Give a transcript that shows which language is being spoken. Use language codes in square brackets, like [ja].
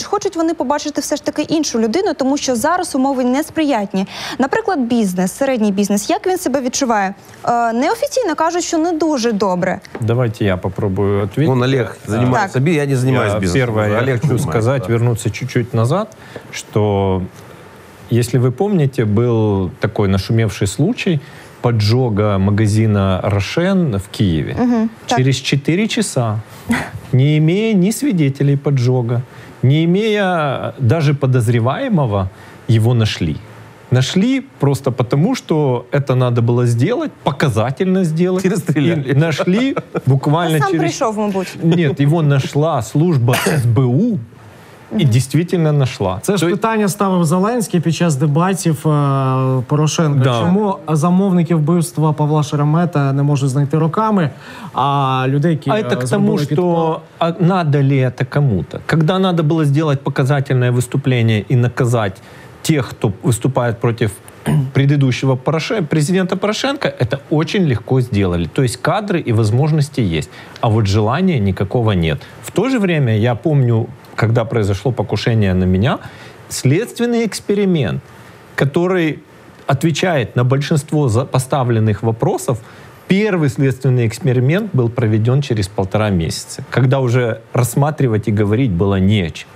[uk] Чи хочуть вони побачити все ж таки іншу людину, тому що зараз умови несприятні? Наприклад, бізнес, середній бізнес, як він себе відчуває? Неофіційно кажуть, що не дуже добре. Давайте я попробую відповісти. Вон Олег займається бізнесом, я не займаюся бізнесом. Перше, я хочу сказати, повернутися чуть-чуть назад, що... [ru] Если вы помните, был такой нашумевший случай поджога магазина «Рошен» в Киеве. Угу, через 4 часа, не имея ни свидетелей поджога, не имея даже подозреваемого, его нашли. Нашли просто потому, что это надо было сделать, показательно сделать. Перестреляли. Нашли буквально сам через... сам пришел, мабуть. Нет, его нашла служба СБУ. [uk] І дійсно знайшла. Це ж питання ставив Зеленський під час дебатів Порошенка. [ru] Да. [uk] Чому замовники вбивства Павла Шеремета не можуть знайти роками, а людей, які зробили підпал... А це тому, що треба ли це комусь? Коли треба було зробити показательне виступлення і наказати тих, хто виступає проти предыдущего президента Порошенка, [ru] это очень легко сделали. То есть кадры и возможности есть. А вот желания никакого нет. В то же время я помню, когда произошло покушение на меня, следственный эксперимент, который отвечает на большинство поставленных вопросов, первый следственный эксперимент был проведен через полтора месяца, когда уже рассматривать и говорить было нечего.